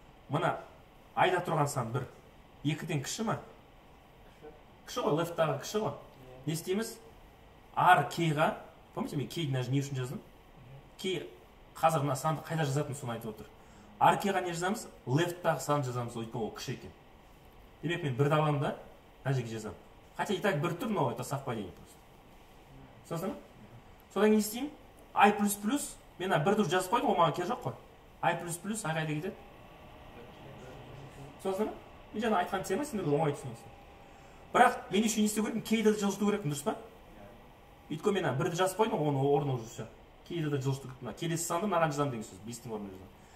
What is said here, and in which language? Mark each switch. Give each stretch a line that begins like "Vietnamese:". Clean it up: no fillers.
Kazakh: Мына айда тұрған сан 1. 2-ден кіші ма? Кіші ғой, лефттағы кіші ғой. Не істейміз? R K-ға, помните, мен K-ді не үшін жаздым? K қазір мына санды қайда жазатынын соны айтып отыр. R K-ға не жазамыз? Лефттағы сан жазамыз, өйткені ол кіші екен. Демек мен 1-ді аламын да, мына жерге жазамын.
Russian: Хотя и так 1 тұр, но это совпадение просто.
Kazakh: Түсінесің бе? Содан не істеймін? I плюс плюс, мен мына 1-ді жазып қойдым, ол маған керек жоқ қой. I плюс плюс ары қайда кетеді? Түсінесің бе? Мен жаңа айтқан тема, сендер оңай түсінесің. Бірақ мен еще не істеу керекпін, кейді де жылжыту керекпін, дұрыс па? Өйткені мен бірді жазып қойдым, оны орнына жүрсе. Кейді де жылжыту керекпін, келесі санды маған жазамын деген сөз, бестің орнына жазамын.